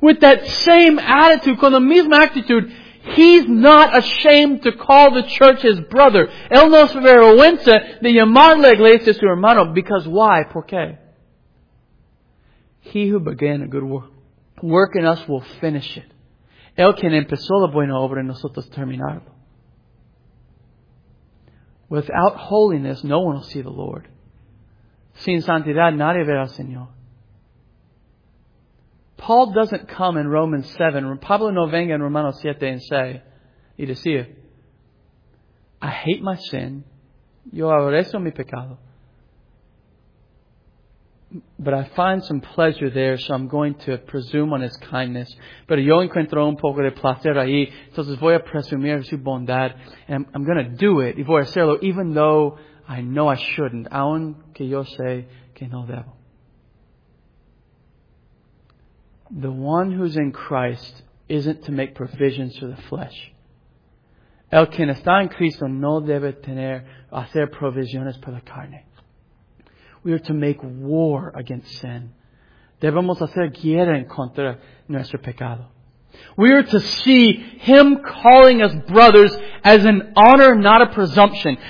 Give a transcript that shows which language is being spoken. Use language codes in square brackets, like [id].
[en] With that same attitude, [es] con la misma actitud, [en] He's not ashamed to call the church His brother. [es] Él no se avergüenza de llamar la iglesia su hermano. [en] Because why? [es] ¿Por qué? [en] He who began a good work in us will finish it. [es] El quien empezó la buena obra en nosotros terminarlo. [en] Without holiness, no one will see the Lord. [es] Sin santidad, nadie verá al Señor. [en] Paul doesn't come in Romans 7, [es] Pablo no venga en Romanos 7 [en] and say, [es] y decir, [en] I hate my sin, [es] yo aborrezco mi pecado, [en] but I find some pleasure there, so I'm going to presume on His kindness. [es] Pero yo encuentro un poco de placer ahí, entonces voy a presumir su bondad, [en] and I'm going to do it, [es] y voy a hacerlo, [en] even though I know I shouldn't, [es] aun que yo sé que no debo. [en] The one who's in Christ isn't to make provisions for the flesh. [es] El quien está en Cristo no debe tener, hacer provisiones para la carne. [en] We are to make war against sin. [es] Debemos hacer guerra en contra nuestro pecado. [en] We are to see Him calling us brothers as an honor, not a presumption.